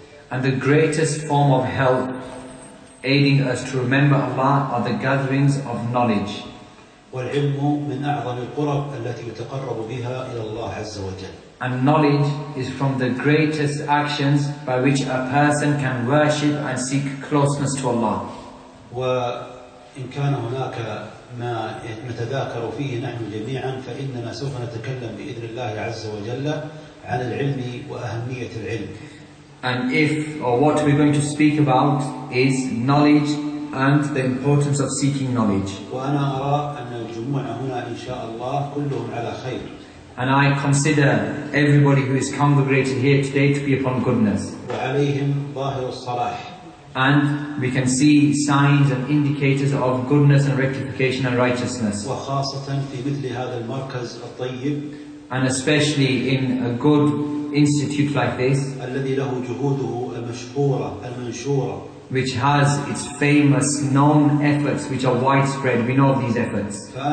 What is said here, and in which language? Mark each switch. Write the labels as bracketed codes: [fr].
[en] And the greatest form of help aiding us to remember Allah are the gatherings of knowledge. [ar] والعلم من أعظم القرب التي يتقرب بها إلى الله عز وجل. [en] And knowledge is from the greatest actions by which a person can worship and seek closeness to Allah. [ar] وإن كان هناك ما نتذاكر فيه نحن جميعا فإننا سوف نتكلم بإذن الله عز وجل عن العلم وأهمية العلم. [en] And if or what we're going to speak about is knowledge and the importance of seeking knowledge. [ar] وأنا أرى أن الجمع هنا إن شاء الله كلهم على خير. [en] And I consider everybody who is congregated here today to be upon goodness. [ar] وعليهم ظاهر الصلاح. [en] And we can see signs and indicators of goodness and rectification and righteousness. [ar] وخاصة في مثل هذا المركز الطيب. [en] And especially in a good institute like this. [ar] الذي له جهوده المشهورة المنشورة. [en] Which has its famous known efforts, which are widespread. We know of these efforts.